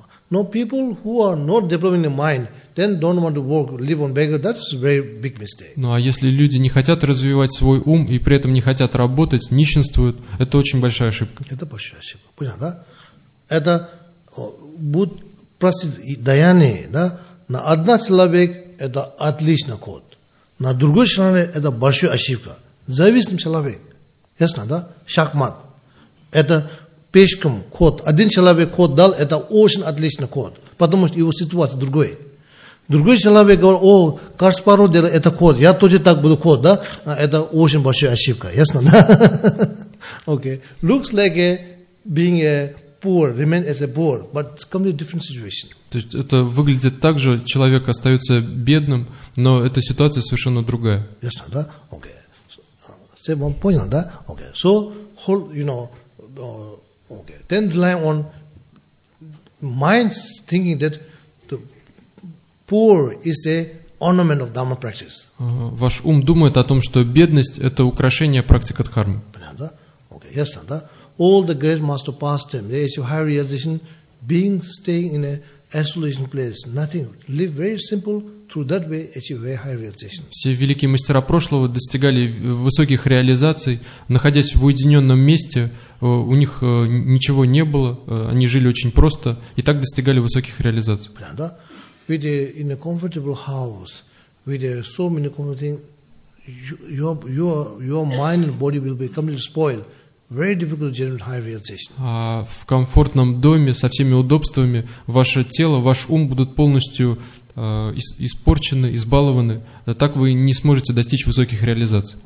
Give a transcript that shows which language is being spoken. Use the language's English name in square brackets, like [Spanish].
[English] Но people who are not developing their mind, then don't want to work, live on beggar, that's a very big mistake. [Russian] Ну, а если люди не хотят развивать свой ум и при этом не хотят работать, нищенствуют, это очень большая ошибка. Это большая ошибка. Понял, да? Это будет просить даяние, да? На одна человек это отличный код. На другой человек это большая ошибка. Зависимый человек, ясно, да? Шахмат. Это пешком ход. Один человек ход дал, это очень отличный ход. Потому что его ситуация другой. Другой человек говорит, о, Каспаров делал это ход, я тоже так буду ход, да? Это очень большая ошибка, ясно, да? Окей. Okay. [English] Looks like being a poor, remain as a poor, but it's completely different situation. [Russian] То есть это выглядит так же, человек остается бедным, но эта ситуация совершенно другая. Ясно, да? Окей. Okay. Все вам понял, да? Okay. [English] So, whole, you know, okay. Then rely on mind thinking that the poor is a ornament of dharma practice. [Russian] Ваш ум думает о том, что бедность — это украшение практики дхармы. Понятно, да? Okay. Yes, да? [English] All the great master pastime, they achieve high realization, being staying in an isolation place, nothing, live very simple. Through that way, achieve very high realization. [Russian] Все великие мастера прошлого достигали высоких реализаций, находясь в уединенном месте, у них ничего не было, они жили очень просто, и так достигали высоких реализаций. Понятно, да? [English] With a, in a comfortable house, with a, so many comfortable things, your mind and body will be completely spoiled. Very difficult to generate high realization. [Russian] А в комфортном доме со всеми удобствами ваше тело, ваш ум будут полностью испорчены, избалованы, так вы не сможете достичь высоких реализаций.